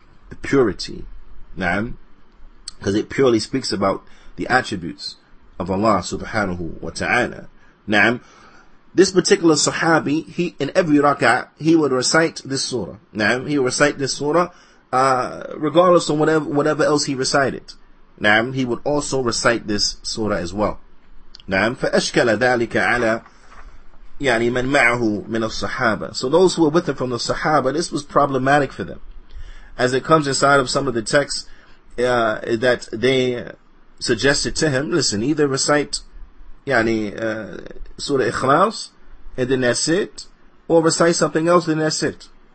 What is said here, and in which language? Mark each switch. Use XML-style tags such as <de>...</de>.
<en>The purity. Naam. Because it purely speaks about the attributes of Allah subhanahu wa ta'ala. Naam. This particular sahabi, he in every rak'ah, he would recite this surah. Naam. He would recite this surah regardless of whatever else he recited. Naam. He would also recite this surah as well. Naam.</en> <ar>فَأَشْكَلَ ذَلِكَ عَلَى يعني من معه من الصحابة.</ar> <en>So those who were with him from the Sahaba, this was problematic for them. As it comes inside of some of the texts that they suggested to him, listen, either recite يعني, Surah Ikhlas, and then that's it, or recite something else, then that's it.</en>